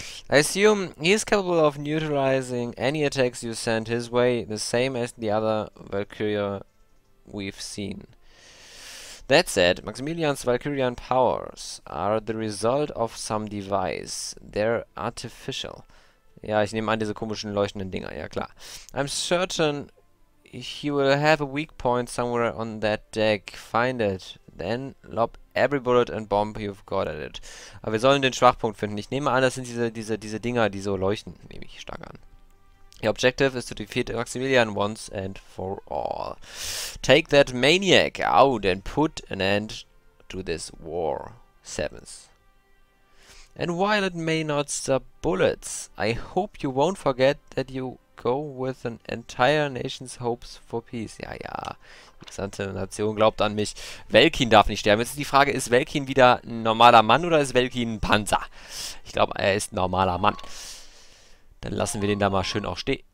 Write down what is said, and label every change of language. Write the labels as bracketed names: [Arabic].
[English] I assume he is capable of neutralizing any attacks you send his way, the same as the other Valkyria we've seen. That said, Maximilian's Valkyrian powers are the result of some device. They're artificial. [German] Ja, ich nehme an, diese komischen leuchtenden Dinger, ja klar. [English] I'm certain he will have a weak point somewhere on that deck. Find it. Then lob every bullet and bomb you've got at it. [German] Aber wir sollen den Schwachpunkt finden. Ich nehme an, das sind diese Dinger, die so leuchten. Nehme ich stark an. [English] Your objective is to defeat Maximilian once and for all. Take that maniac out and put an end to this war. Seventh. And while it may not stop bullets, I hope you won't forget that you go with an entire nation's hopes for peace. [German] Ja, ja. Die gesamte Nation glaubt an mich. Velkin darf nicht sterben. Jetzt ist die Frage, ist Velkin wieder ein normaler Mann oder ist Velkin ein Panzer? Ich glaube, er ist ein normaler Mann. Dann lassen wir den da mal schön auch stehen.